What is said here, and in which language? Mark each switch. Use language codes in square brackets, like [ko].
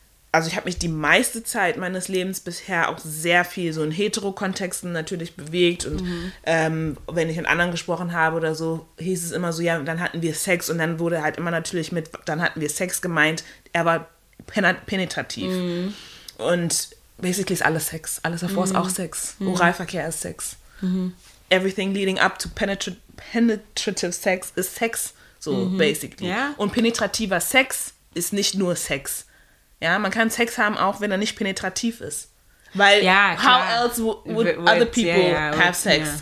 [de] also ich habe mich die meiste Zeit meines Lebens bisher auch sehr viel so in Hetero-Kontexten natürlich bewegt und wenn ich mit anderen gesprochen habe oder so, hieß es immer so, ja, dann hatten wir Sex und dann wurde halt immer natürlich mit, dann hatten wir Sex gemeint, er war penetrativ. Und basically ist alles Sex. Alles davor ist auch Sex. Oralverkehr ist Sex. [en] everything leading up to penetrative Sex is Sex, so basically. Yeah. [de] Und penetrativer Sex ist nicht nur Sex. Ja, man kann Sex haben, auch wenn er nicht penetrativ ist. [en] Weil how else would other people have sex?